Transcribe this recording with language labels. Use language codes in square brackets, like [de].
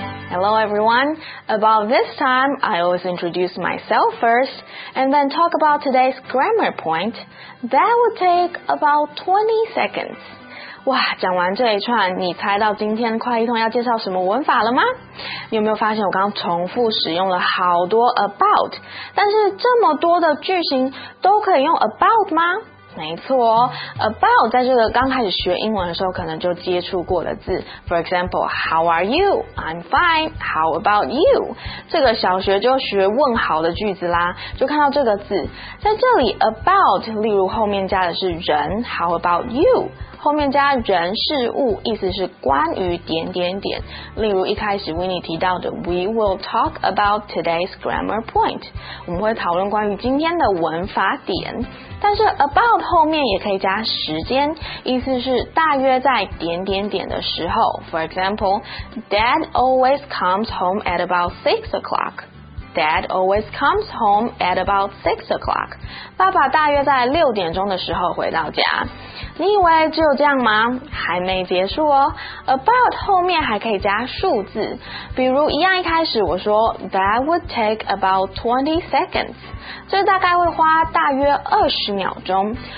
[en] Hello everyone. About this time, I always introduce myself first and then talk about today's grammar point. That would take about 20 seconds. [zh] 哇，讲完这一串，你猜到今天快译通要介绍什么文法了吗？你有没有发现我刚刚重复使用了好多 about， 但是这么多的句型都可以用 about 吗？没错哦， about 在这个刚开始学英文的时候可能就接触过的字， [en] for example how are you? I'm fine, how about you? [zh] 这个小学就学问好的句子啦，就看到这个字在这里 about， 例如后面加的是人， [en] how about you？ [zh] 后面加人事物，意思是关于点点点。例如一开始 Winnie 提到的 [en] We will talk about today's grammar point， [zh] 我们会讨论关于今天的文法点。但是 about 后面也可以加时间，意思是大约在点点点的时候。 [en] For example Dad always comes home at about 6 o'clockDad always comes home at about 6 o'clock. [zh] 爸爸大约在6点钟的时候回到家。你以为只有这样吗？还没结束哦。About 后面还可以加数字。比如一样一开始我说 [en] That would take about 20 seconds. [zh] 这大概会花大约20秒钟。